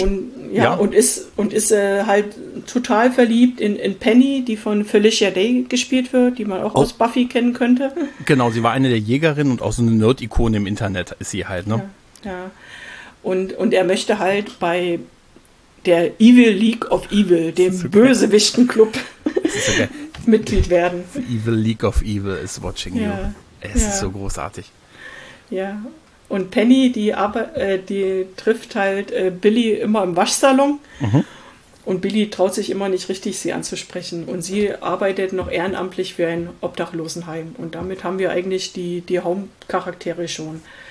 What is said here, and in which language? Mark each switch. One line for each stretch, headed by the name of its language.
German: Und ist halt total verliebt in Penny, die von Felicia Day gespielt wird, die man auch aus Buffy kennen könnte. Genau, sie war eine der Jägerinnen und auch so eine Nerd-Ikone im Internet ist sie halt, ne? Ja. Und er möchte halt bei der Evil League of Evil, dem Bösewichten-Club, Mitglied werden.
English: The Evil League of Evil is watching you.
German: Es ist so großartig. Ja. Und Penny, die trifft halt Billy immer im Waschsalon. Mhm. Und Billy traut sich immer nicht richtig, sie anzusprechen. Und sie arbeitet noch ehrenamtlich für ein Obdachlosenheim. Und damit haben wir eigentlich die Hauptcharaktere schon.